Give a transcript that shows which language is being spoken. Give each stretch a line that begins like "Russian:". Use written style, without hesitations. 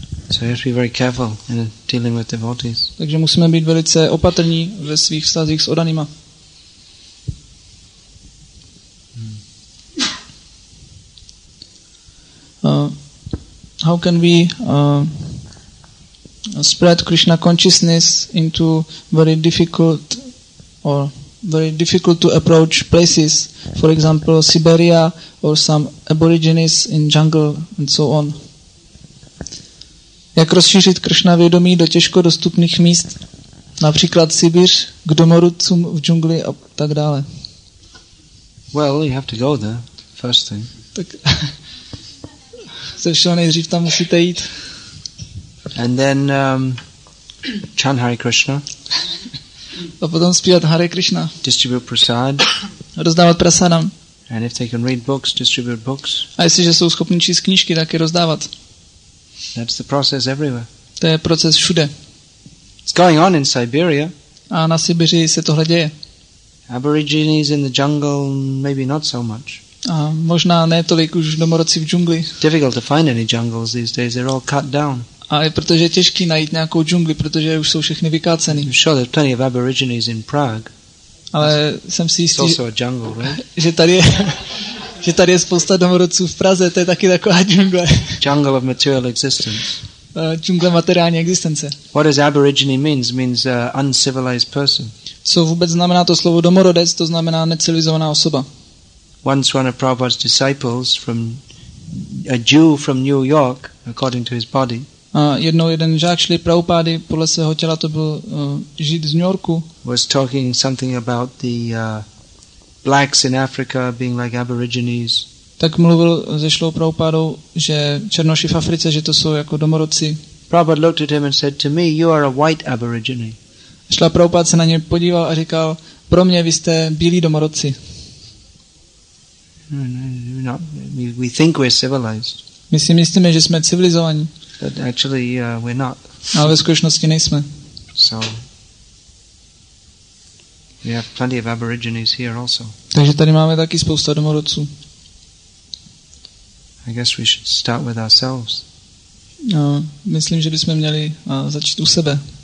English: So you have to be very careful in dealing with devotees.
Czech: Takže musíme být velice opatrní ve svých vztazích s oddanýma.
English: How can we spread Krishna consciousness into very difficult or very difficult to approach places, for example Siberia or some aborigines in jungle and so on?
Czech: Jak rozšířit Krishna vědomí do těžko dostupných míst, například Sibir, k domorodcům v džungli a tak dále?
English: Well, you have to go there first thing.
Czech: Tak se všeho nejdřív tam musíte jít.
English: And then chant Hare Krishna.
Czech: A potom zpívat Hare Krishna.
English: Distribute prasad.
Czech: Rozdávat prasadam.
English: And if they can read books, distribute books.
Czech: A jestliže jsou schopni číst knížky, tak je rozdávat.
English: That's the process everywhere.
Czech: To je proces všude.
English: It's going on in Siberia.
Czech: A na Sibiři se tohle děje.
English: Aborigines in the jungle, maybe not so much.
Czech: A možná ne tolik už domorodci v džungli.
English: Difficult to find any jungles these days. They're all cut down.
Czech: A je protože je těžký najít nějakou džungli, protože už jsou všechny vykácený.
English: I'm sure there's plenty of aborigines in Prague.
Czech: Ale jsem si jistý,
English: also a jungle, right?
Czech: že tady je spousta domorodců v Praze, to je taky taková džungle.
English: Jungle of material existence.
Czech: Džungle materiální existence.
English: What does aborigine means? Means uncivilized person.
Czech: Co vůbec znamená to slovo domorodec? To znamená necivilizovaná osoba.
English: Once one of Prabhupada's disciples from a Jew from New York, according to his body.
Czech: Jednou jeden žák šli Prabhupády, podle svého těla to byl žid z New Yorku.
English: Was talking something about the blacks in Africa being like aborigines.
Czech: Tak mluvil ze šlou Prabhupádou, že černoši v Africe, že to jsou jako domorodci.
English: Prabhupada looked at him and said, "To me, you are a white aborigine."
Czech: Šla Prabhupáda se na ně podíval a říkal, pro mě vy jste bílí domorodci.
English: No, we think we're civilized.
Czech: My si myslíme, že jsme civilizovaní.
English: But actually, we're not.
Czech: Ale ve skutečnosti nejsme.
English: So we have plenty of aborigines here also.
Czech: Takže tady máme taky spousta domorodců.
English: I guess we should start with ourselves.
Czech: Myslím, že bychom měli začít u sebe.